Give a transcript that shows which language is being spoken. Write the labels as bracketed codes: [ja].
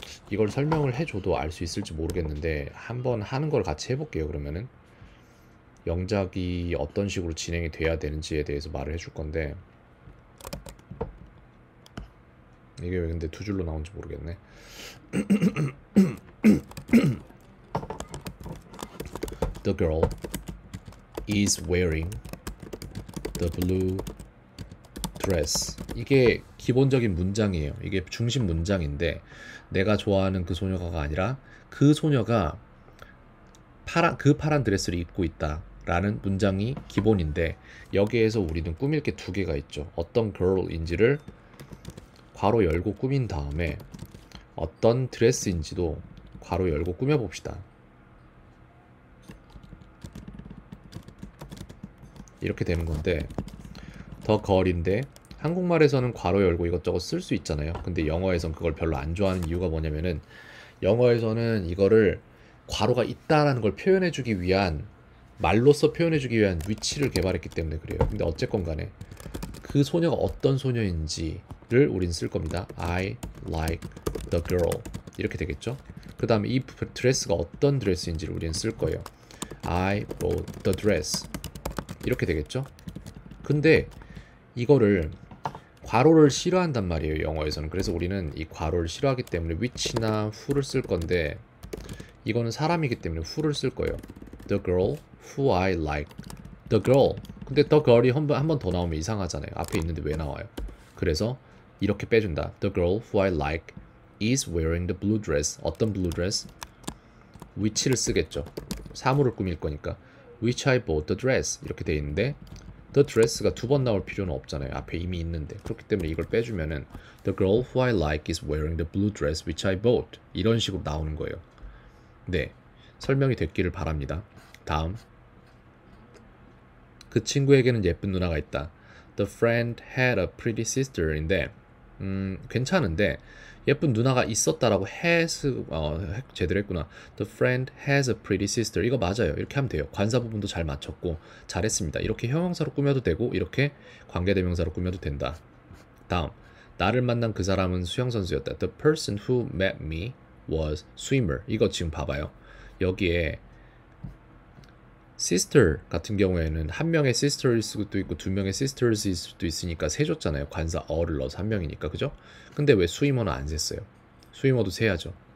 [ko] 이걸 설명을 해줘도 알수 있을지 모르겠는데 한번 하는 걸 같이 해볼게요. 그러면은 영작이 어떤 식으로 진행이 돼야 되는지에 대해서 말을 해줄 건데 이게 왜 근데 두 줄로 나온지 모르겠네. [en] The girl is wearing the blue dress. [ko] 이게 기본적인 문장이에요. 이게 중심 문장인데, 내가 좋아하는 그 소녀가가 아니라, 그 소녀가 파란 드레스를 입고 있다. 라는 문장이 기본인데, 여기에서 우리는 꾸밀 게두 개가 있죠. 어떤 girl인지를 괄호 열고 꾸민 다음에, 어떤 드레스인지도 괄호 열고 꾸며 봅시다. 이렇게 되는 건데 더 걸인데 한국말에서는 괄호 열고 이것저것 쓸수 있잖아요. 근데 영어에선 그걸 별로 안 좋아하는 이유가 뭐냐면은 영어에서는 이거를 괄호가 있다라는 걸 표현해주기 위한 말로써 표현해주기 위한 위치를 개발했기 때문에 그래요. 근데 어쨌건 간에 그 소녀가 어떤 소녀인지를 우린 쓸 겁니다. [en] I like the girl 이렇게 되겠죠? [ko] 그 다음에 이 드레스가 어떤 드레스인지를 우린 쓸 거예요. [en] I bought the dress. 이렇게 되겠죠? [ko] 근데 이거를 괄호를 싫어한단 말이에요, 영어에서는. 그래서 우리는 이 괄호를 싫어하기 때문에 which나 who를 쓸 건데 이거는 사람이기 때문에 who를 쓸 거예요. [en] The girl who I like. The girl. [ko] 근데 the girl이 한번더 나오면 이상하잖아요. 앞에 있는데 왜 나와요? 그래서 이렇게 빼준다. [en] The girl who I like is wearing the blue dress. 어떤 blue dress? [ko] which를 쓰겠죠. 사물을 꾸밀 거니까. [en] Which I bought the dress [ko] 이렇게 돼 있는데 the dress가 두번 나올 필요는 없잖아요. 앞에 이미 있는데 그렇기 때문에 이걸 빼주면은 [en] the girl who I like is wearing the blue dress which I bought [ko] 이런 식으로 나오는 거예요. 네, 설명이 됐기를 바랍니다. 다음 그 친구에게는 예쁜 누나가 있다. [en] The friend had a pretty sister [ko] 인데 괜찮은데 예쁜 누나가 있었다라고 제대로 했구나. [en] The friend has a pretty sister. [ko] 이거 맞아요. 이렇게 하면 돼요. 관사 부분도 잘 맞췄고 잘했습니다. 이렇게 형용사로 꾸며도 되고 이렇게 관계대명사로 꾸며도 된다. 다음 나를 만난 그 사람은 수영 선수였다. [en] The person who met me was swimmer. [ko] 이거 지금 봐봐요. 여기에 sister 같은 경우에는 한 명의 sister일 수도 있고 두 명의 sisters일 수도 있으니까 세 줬잖아요. 관사 어를 넣어서 한 명이니까 그죠? 근데 왜 swimmer는 안 셌어요? swimmer도 세야죠.